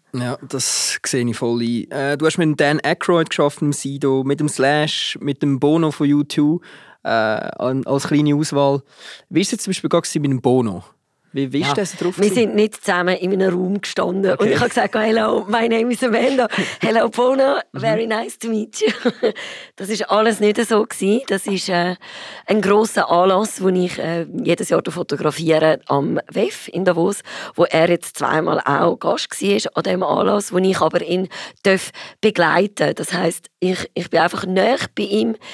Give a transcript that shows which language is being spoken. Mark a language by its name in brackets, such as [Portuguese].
[German] Ja, das sehe ich voll ein. Du hast mit Dan Aykroyd geschaffen, Sido, mit dem Slash, mit dem Bono von U2. Als kleine Auswahl. Wie war es zum Beispiel gerade mit dem Bono? Wie ist das drauf? Wir sind nicht zusammen in einem Raum gestanden. Okay. Und ich habe gesagt, [English] hello, my name is Amanda. Hello, Bono, very nice to meet you. [German] Das war alles nicht so gewesen. Das ist ein grosser Anlass, den ich jedes Jahr fotografiere am WEF in Davos, wo er jetzt zweimal auch Gast war an diesem Anlass, den ich aber ihn begleiten darf. Das heisst, ich bin einfach nahe bei ihm.